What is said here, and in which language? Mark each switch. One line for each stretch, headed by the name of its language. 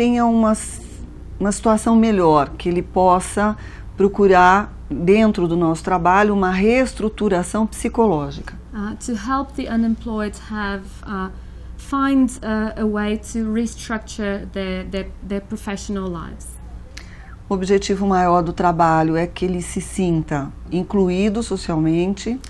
Portuguese: tenha uma situação melhor, que ele possa procurar dentro do nosso trabalho uma reestruturação psicológica.
English: To help the unemployed have find a way to restructure their professional lives.
Portuguese: O objetivo maior do trabalho é que ele se sinta incluído socialmente.